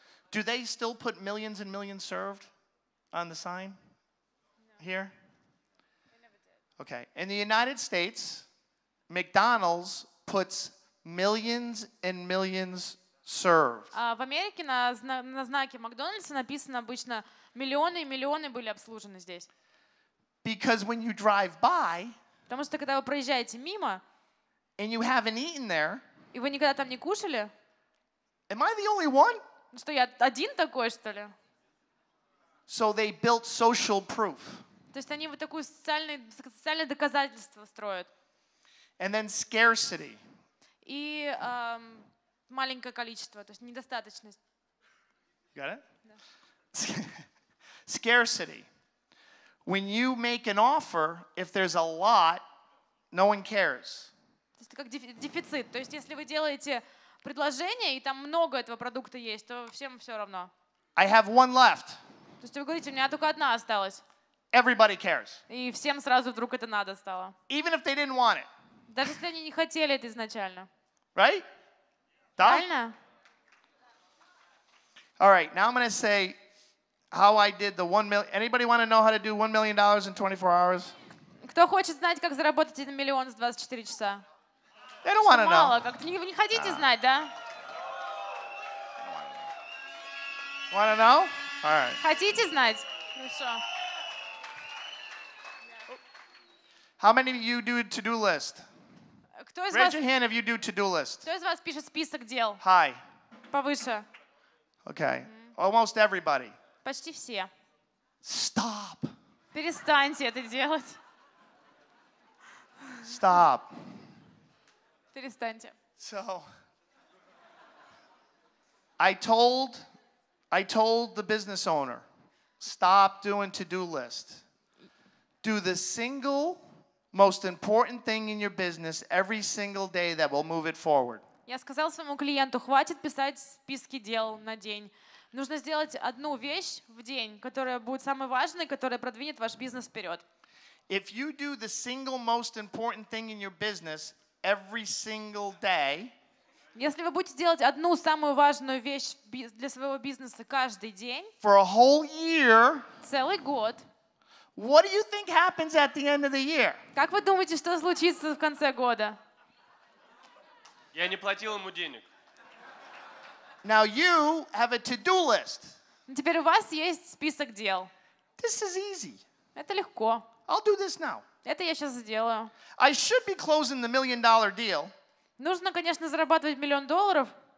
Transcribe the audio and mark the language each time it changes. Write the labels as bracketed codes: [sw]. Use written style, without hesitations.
[en] Do they still put millions and millions served on the sign? No. Here? Okay, in the United States, McDonald's puts millions and millions served. [ru] В Америке на знаке Макдональдса написано обычно миллионы и миллионы были обслужены здесь. [en] Because when you drive by, [ru] потому что когда вы проезжаете мимо, [en] and you haven't eaten there, [ru] и вы никогда там не кушали, [en] am I the only one? [ru] Что я один такой, что ли? [en] So they built social proof. [ru] То есть они вот такое социальное доказательство строят. [en] And then scarcity. [ru] И маленькое количество, то есть недостаточность. [en] Got it? Scarcity. When you make an offer, if there's a lot, no one cares. [ru] То есть как дефицит. То есть если вы делаете предложение и там много этого продукта есть, то всем все равно. [en] I have one left. [ru] То есть вы говорите, у меня только одна осталась. [en] Everybody cares. [ru] И всем сразу вдруг это надо стало. [en] Even if they didn't want it. [ru] Даже если они не хотели это изначально. [en] Right? [ru] Да? Правильно? [en] All right, now I'm going to say how I did the $1 million. Anybody want to know how to do $1 million in 24 hours? [ru] Кто хочет знать, как заработать 1 миллион за 24 часа? [en] They don't want to know. [ru] Мало, как-то не хотите знать, да? [en] Want to know? All right. [ru] Хотите знать? Хорошо. [en] How many of you do a to-do list? Raise your hand if you do to-do list. [ru] Кто из вас пишет список дел? [en] Hi. [ru] Повыше. [en] Okay. Mm-hmm. Almost everybody. [ru] Почти все. [en] Stop. [ru] Перестаньте это делать. [en] Stop. [ru] Перестаньте. [en] So, I told the business owner, stop doing to-do list. Do the single most important thing in your business every single day that will move it forward. [ru] Я сказал своему клиенту, хватит писать списки дел на день. Нужно сделать одну вещь в день, которая будет самой важной, которая продвинет ваш бизнес вперед. [en] If you do the single most important thing in your business every single day, [ru] если вы будете делать одну самую важную вещь для своего бизнеса каждый день, [en] for a whole year, [ru] целый год, [en] what do you think happens at the end of the year? [ru] Как вы думаете, что случится в конце года? Я не платил ему денег. [en] Now you have a to-do list. [ru] Теперь у вас есть список дел. [en] This is easy. [ru] Это легко. [en] I'll do this now. [ru] Это я сейчас сделаю. [en] I should be closing the million-dollar deal. [ru] Нужно, конечно, зарабатывать миллион долларов.